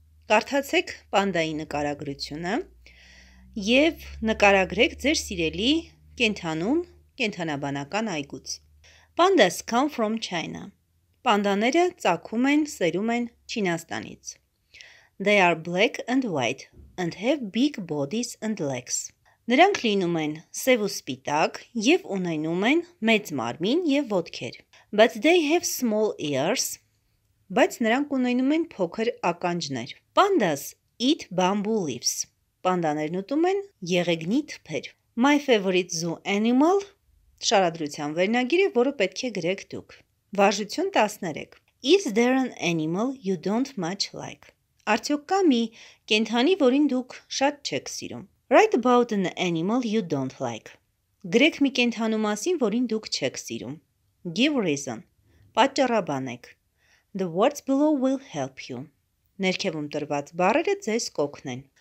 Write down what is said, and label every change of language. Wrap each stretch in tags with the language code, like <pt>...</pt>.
<hy>Կարդացեք պանդայի նկարագրությունը և նկարագրեք ձեր սիրելի կենդանուն կենդանաբանական այգուց.</hy> <en>Pandas come from China.</en> <hy>Պանդաները ծագում են, սերում են Չինաստանից.</hy> <en>They are black and white and have big bodies and legs.</en> <hy>Նրանք լինում են սև ու սպիտակ և ունենում են մեծ մարմին և ոտքեր.</hy> <en>But they have small ears.</en> <hy>Բայց նրանք ունենում են փոքր ականջներ.</hy> <en>Pandas eat bamboo leaves.</en> <hy>Պանդաներն ուտում են եղեգնի թփեր.</hy> <en>My favorite zoo animal.</en> <hy>Շարադրության վերնագիրը, որը պետք է գրեք դուք. Վարժություն 13.</hy> <en>Is there an animal you don't much like?</en> <hy>Արդյոք կա մի կենդանի, որին դուք շատ չեք սիրում.</hy> <en>Write about an animal you don't like.</en> <hy>Գրեք մի կենդանու մասին, որին դուք չեք սիրում.</hy> <en>Give reason.</en> <hy>Պատճառաբանեք.</hy> <en>The words below will help you.</en> <hy>Ներքևում տրված բառերը ձեզ կօգնեն.</hy>